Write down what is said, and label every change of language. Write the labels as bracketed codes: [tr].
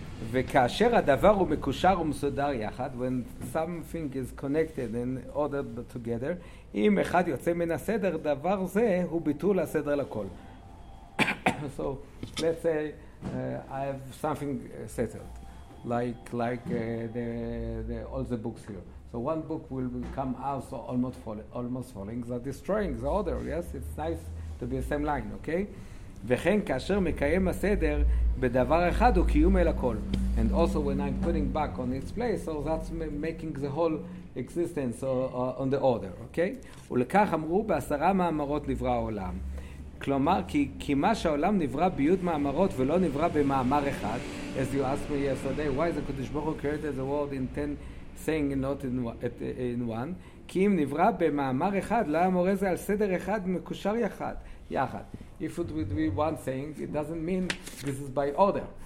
[he] וכאשר הדבר הוא מקושר ומסודר יחד, [en] when something is connected and ordered together, [he] אם אחד יוצא מן הסדר, דבר זה הוא ביטול הסדר לכל. [en] So let's say I have something settled, like the all the books here. So one book will come out almost falling, that destroying the order. Yes, it's nice to be the same line. Okay. [he] וכן כאשר מקיים הסדר בדבר אחד הוא קיום אל הכל. [en] And also when I'm putting back on its place, so that's making the whole existence on the order. Okay. [he] ולכך אמרו בעשרה מאמרות נברא העולם. כלומר, כי מה שהעולם נברא ביוד מאמרות ולא נברא במאמר אחד, [en] as you asked me yesterday, why the Kodesh Baruch Hu created the world in 10 saying not in one, [he] כי אם נברא במאמר אחד, לא אמור זה על סדר אחד מקושר יחד. יחד. [en] If it would be one saying, it doesn't mean this is by order.